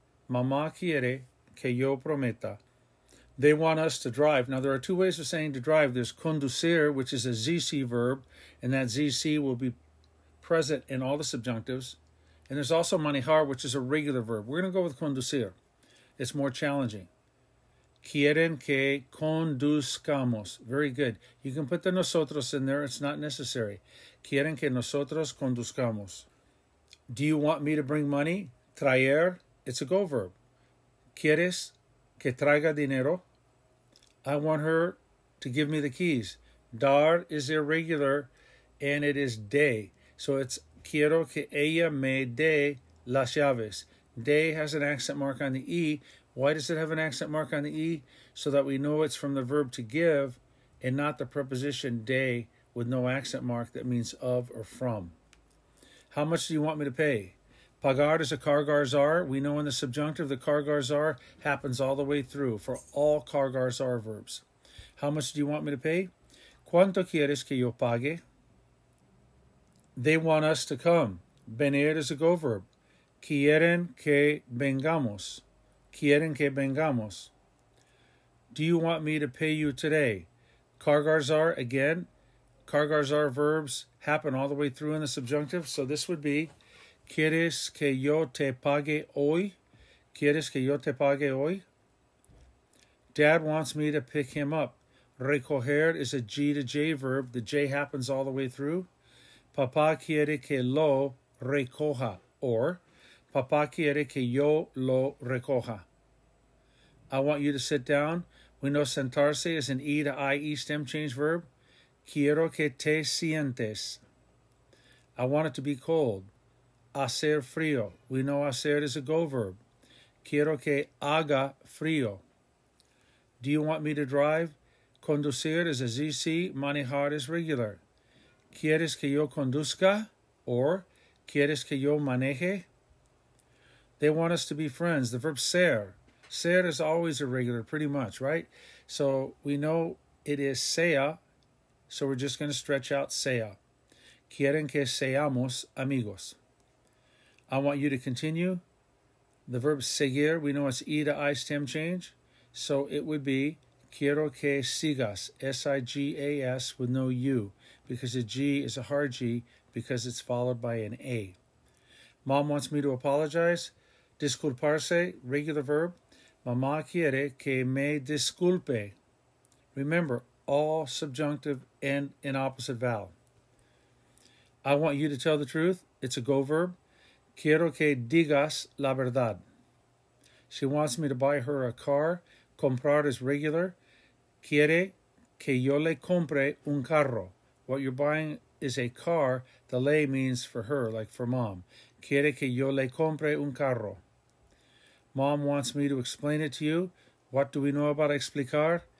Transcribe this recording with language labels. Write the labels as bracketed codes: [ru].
[es] Mamá quiere que yo prometa. [en] They want us to drive. Now, there are two ways of saying to drive. There's conducir, which is a ZC verb, and that ZC will be present in all the subjunctives. And there's also manejar, which is a regular verb. We're going to go with conducir. It's more challenging. [es] Quieren que conduzcamos. [en] Very good. You can put the nosotros in there. It's not necessary. [es] Quieren que nosotros conduzcamos. [en] Do you want me to bring money? Traer. It's a go verb. [es] ¿Quieres que traiga dinero? [en] I want her to give me the keys. Dar is irregular, and it is de. So it's [es] quiero que ella me dé las llaves. [en] De has an accent mark on the E. Why does it have an accent mark on the E? So that we know it's from the verb to give and not the preposition de with no accent mark that means of or from. How much do you want me to pay? Pagar is a cargar zar. We know in the subjunctive the cargar zar happens all the way through for all cargar zar verbs. How much do you want me to pay? [es] ¿Cuánto quieres que yo pague? [en] They want us to come. Venir is a go verb. [es] Quieren que vengamos. Quieren que vengamos. [en] Do you want me to pay you today? Cargar zar, again, cargar zar verbs happen all the way through in the subjunctive. So this would be, [es] ¿quieres que yo te pague hoy? ¿Quieres que yo te pague hoy? [en] Dad wants me to pick him up. Recoger is a G to J verb. The J happens all the way through. [es] Papá quiere que lo recoja. Or, papá quiere que yo lo recoja. [en] I want you to sit down. We know sentarse is an E to IE stem change verb. [es] Quiero que te sientes. [en] I want it to be cold. [es] Hacer frío. [en] We know hacer is a go verb. [es] Quiero que haga frío. [en] Do you want me to drive? Conducir is a ZC. Manejar is regular. [es] ¿Quieres que yo conduzca? Or, ¿quieres que yo maneje? [en] They want us to be friends. The verb ser. Ser is always irregular, pretty much, right? So we know it is sea. So we're just going to stretch out sea. [es] Quieren que seamos amigos. [en] I want you to continue. The verb seguir, we know it's E to I stem change. So it would be [es] quiero que sigas, [en] S-I-G-A-S with no U, because a G is a hard G because it's followed by an A. Mom wants me to apologize. Disculparse, regular verb. [es] Mamá quiere que me disculpe. [en] Remember, all subjunctive and an opposite vowel. I want you to tell the truth. It's a go verb. [es] Quiero que digas la verdad. [en] She wants me to buy her a car. Comprar is regular. [es] Quiere que yo le compre un carro. [en] What you're buying is a car. The le means for her, like for mom. [es] Quiere que yo le compre un carro. [en] Mom wants me to explain it to you. What do we know about explicar?